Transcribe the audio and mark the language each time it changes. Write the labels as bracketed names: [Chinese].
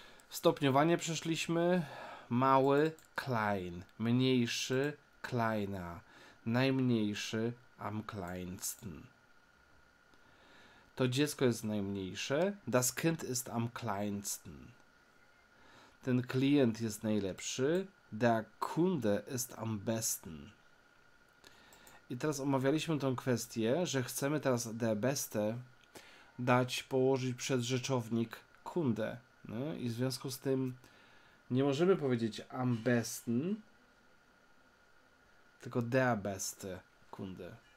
[Polish] Stopniowanie przeszliśmy. Mały, klein. Mniejszy, kleina. Najmniejszy, am kleinsten. To dziecko jest najmniejsze. [German] Das Kind ist am kleinsten. [Polish] Ten klient jest najlepszy. [German] Der Kunde ist am besten. [Polish] I teraz omawialiśmy tą kwestię, że chcemy teraz der Beste dać, położyć przed rzeczownik Kunde. No? I w związku z tym nie możemy powiedzieć am besten, tylko der Beste Kunde.